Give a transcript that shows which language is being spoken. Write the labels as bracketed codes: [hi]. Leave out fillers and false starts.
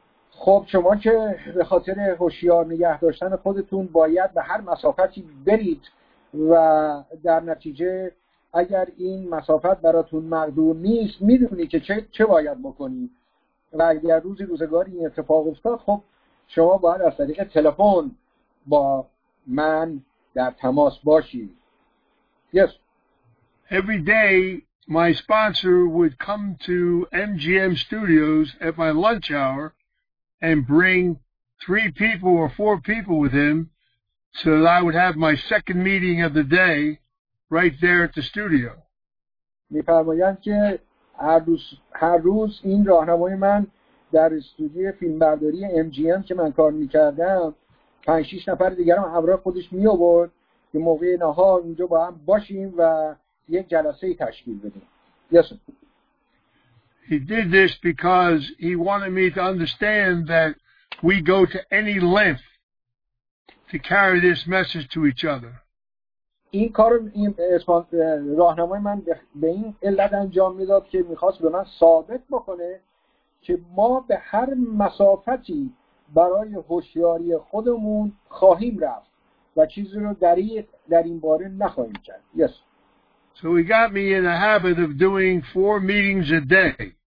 [fa] خب شما که به خاطر هوشیار نگه داشتن خودتون باید به هر مسافتی برید و در نتیجه اگر این مسافت براتون مقدور نیست میدونی که چه باید بکنی و اگر روزی روزگاری این اتفاق افتاد خب شما باید از طریق تلفن با من در تماس باشید. [en] Yes. Every day my sponsor would come to MGM Studios at my lunch hour and bring 3 people or 4 people with him so that I would have my second meeting of the day right there at the studio. [fa] می‌فرمایند که هر روز این راهنمای من در استودیوی فیلمبرداری MGM که من کار می‌کردم 5-6 نفر دیگر هم همراه خودش می آورد که موقع نهار اونجا با هم باشیم و یک جلسه تشکیل بدیم. [en] Yes. He did this because he wanted me to understand that we go to any length to carry this message to each other. [fa] این کار راهنمای من به این علت انجام می داد که می خواست به من ثابت بکنه که ما به هر مسافتی برای هوشیاری خودمون خواهیم رفت و چیزی رو دریغ در این باره نخواهیم کرد. [en] Yes. So he got me in a habit of doing 4 meetings a day.